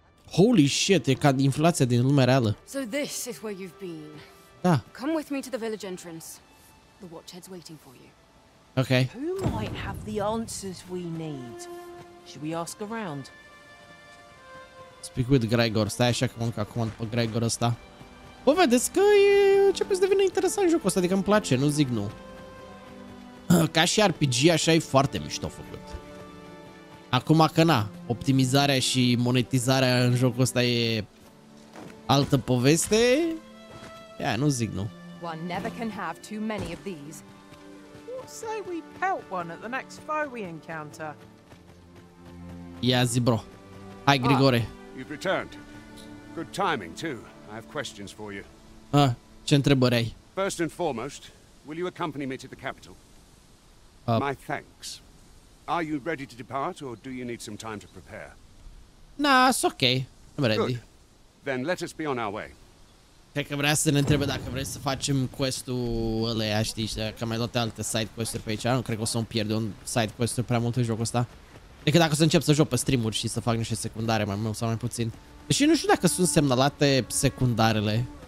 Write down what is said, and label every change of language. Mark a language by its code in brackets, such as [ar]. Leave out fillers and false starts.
[en] Holy shit, [ro] e ca inflația din lumea reală. [en] So this is where you've been. [ro] Da. [en] Come with me to the village entrance. The watchhead's waiting for you. Okay. Who might have the answers we need? Should we ask around? Speak with Gregor, [ro] stai așa că mănc acum pe Gregor ăsta. Bă, vedeți că începe să devină interesant jocul ăsta, adică îmi place, nu zic nu. Ca și RPG, așa e foarte mișto făcut. Acum că na, optimizarea și monetizarea în jocul ăsta e altă poveste. Ia, nu zic nu. [en] One never can have too many of these. What say we pelt one at the next foe we encounter? [ro] Ia zi, bro. Hai, Grigore. [en] You've returned. Good timing, too. I have questions for you. [ro] Ah, ce întrebări ai? [en] First and foremost, will you accompany me to the capital? My thanks. Are you ready to depart, or do you need some time to prepare? Nah, it's okay. I'm ready. Good. Then let us be on our way. [ro] Cred că vrea să ne întrebe dacă vrei să facem quest-ul ălea, știi, și dacă am mai luat alte side quest-uri pe aici. Nu cred că o să-mi pierd un side quest-uri prea mult în jocul ăsta. Adică dacă o să încep să joc pe stream-uri și să fac niște secundare mai mult sau mai puțin. Deși nu știu dacă sunt semnalate secundarele.